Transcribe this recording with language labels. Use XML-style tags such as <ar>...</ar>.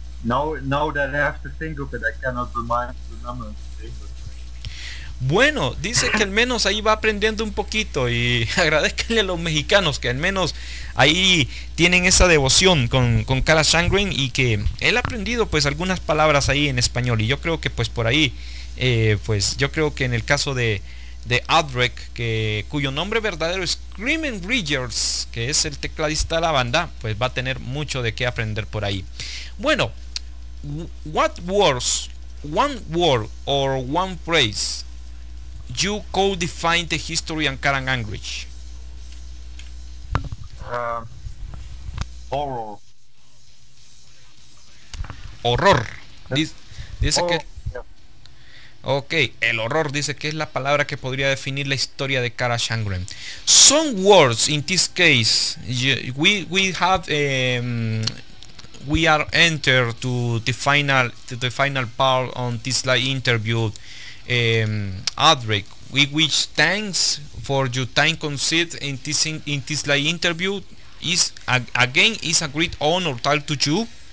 <en>Now that I have to think of it, I cannot remember.</en> <es>Bueno, dice que al menos ahí va aprendiendo un poquito, y agradezcanle a los mexicanos que al menos ahí tienen esa devoción con Carach Angren, y que él ha aprendido pues algunas palabras ahí en español. Y yo creo que pues por ahí, pues yo creo que en el caso de Adric, cuyo nombre verdadero es Clemens Wijers, que es el tecladista de la banda, pues va a tener mucho de qué aprender por ahí.</es> <en>Bueno, what words, one word or one phrase you could define the history and current language? Horror.</en> <es>Horror. Dice que... Ok, el horror dice que es la palabra que podría definir la historia de Carach Angren.</es> <en>Some words in this case, we are entered to the final part on this live interview. Adric, we wish thanks for your time conceded in this live interview. Is again is a great honor to talk to you.</en>